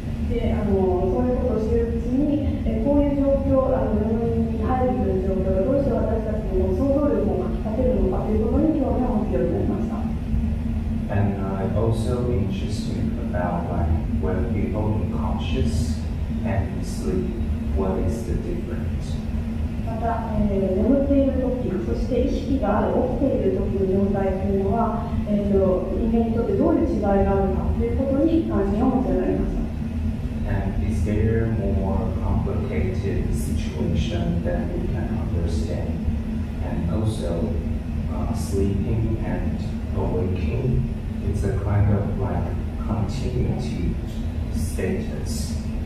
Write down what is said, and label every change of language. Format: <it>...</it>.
<en>And I also interesting about when people unconscious and in sleep, what is the difference?</en> <ja>また、眠っているとき、そして意識がある起きているときの状態というのは、人間にとってどういう違いがあるかということに関心を持ちられます。</ja> <en>And is there more complicated situation that we can understand? And also, sleeping and awaking is a kind of like continuity status.</en>